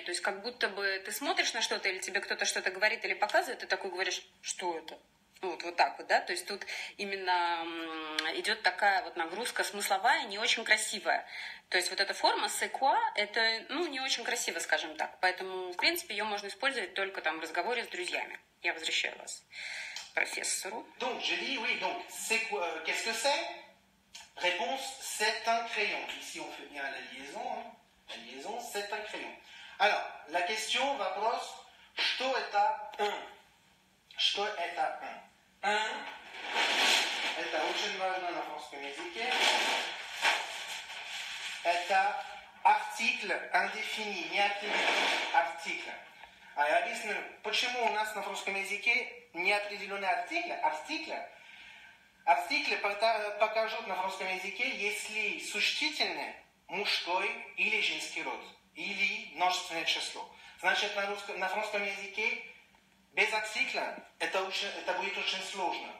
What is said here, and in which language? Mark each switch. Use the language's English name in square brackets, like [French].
[Russian] То есть как будто бы ты смотришь на что-то, или тебе кто-то что-то говорит или показывает, и такой говоришь «что это?». Вот так вот, да? То есть тут именно идет такая вот нагрузка смысловая, не очень красивая. То есть вот эта форма [French] «c'est quoi» [Russian] — это, ну, не очень красиво, скажем так. Поэтому, в принципе, ее можно использовать только там в разговоре с друзьями. Я возвращаю вас. Профессору. [French] Donc, je dis oui, donc, c'est quoi, qu'est-ce que c'est? Réponse, c'est un crayon. Ici, on fait bien la liaison. Hein. La liaison, c'est un crayon. Alors, la question, [Russian] вопрос, что это [French] un? [Russian] Что это un? [French] Un. [Russian] Это очень важно на французском языке. Это [French] article indéfini, [Russian] неопределенный article. А я объясню, почему у нас на французском языке неопределенный article, article. Article покажут на французском языке, если существительное мужской или женский род, или множественное число. Значит, на французском языке без article это будет очень сложно.